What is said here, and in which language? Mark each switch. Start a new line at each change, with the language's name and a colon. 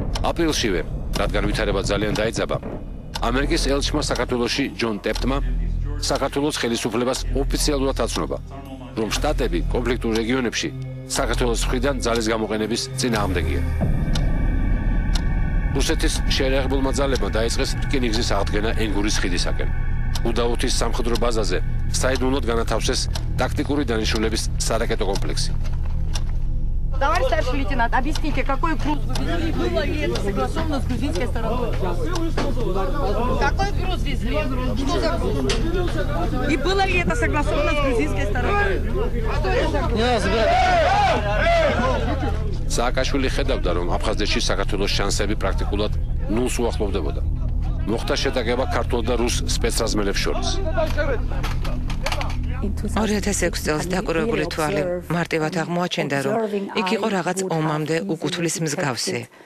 Georgian: აპრილშივე, რადგან ვითარება ძალიან დაიძაბა, ამერიკის ელჩმა საქართველოში ჯონ ტეპტმა საქართველოს ხელისუფლებას ოფიციალურად აცნობა, რომ შტატები კონფლიქტურ რეგიონებში საქართველოს მხრიდან ძალის გამოყენების წინააღმდეგია. რუსეთის შეიარაღებულმა ძალებმა დაიწყეს რკინიგზის აღდგენა ენგურის ხიდისაკენ. უდაუთის სამხედრო ბაზაზე საიდუმლოდ განათავსეს ტაქტიკური დანიშნულების სარაკეტო კომპლექსი.
Russian: Товарищ старший лейтенант, объясните, какой груз везли? Было ли это согласовано с грузинской стороной? Какой груз везли? Что за груз? И было ли это согласовано с грузинской стороной?
Georgian: Саакашвили ხედავდა, რომ აფხაზეთში საქართველოს შანსები პრაქტიკულად ნულს უახლოვდებოდა. მოხდა შეტაკება ქართულ და რუს სპეცრაზმელებს შორის. 2006 წელს დაკვირვებული თვალი მარტივად აღმოაჩენდა, რომ იქ იყო რაღაც ომამდე უკუთვლის მსგავსი.